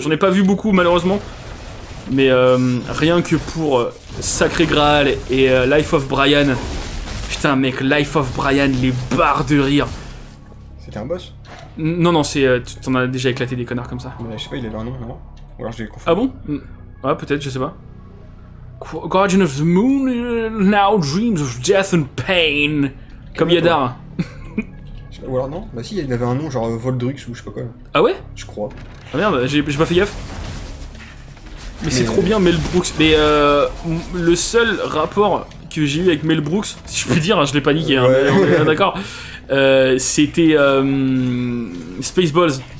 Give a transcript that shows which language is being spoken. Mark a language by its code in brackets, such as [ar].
[fr] J'en ai pas vu beaucoup malheureusement, mais rien que pour Sacré Graal et Life of Brian, putain mec, Life of Brian, les barres de rire. C'était un boss? Non, non, c'est. Tu t'en as déjà éclaté des connards comme ça. Mais je sais pas, il avait un nom, non? Ou alors je l'ai confondu. Ah bon? Ouais, peut-être, je sais pas. [en] Guardian of the Moon, now dreams of death and pain. [fr] Comme Yadar. Ou alors non? Bah si, il avait un nom, genre Voldrux ou je sais pas quoi. Ah ouais? Je crois. Ah merde, j'ai pas fait gaffe. Mais c'est trop bien, Mel Brooks. Mais le seul rapport que j'ai eu avec Mel Brooks, si je peux dire, hein, je l'ai paniqué, hein, ouais. Mais, d'accord. C'était Spaceballs.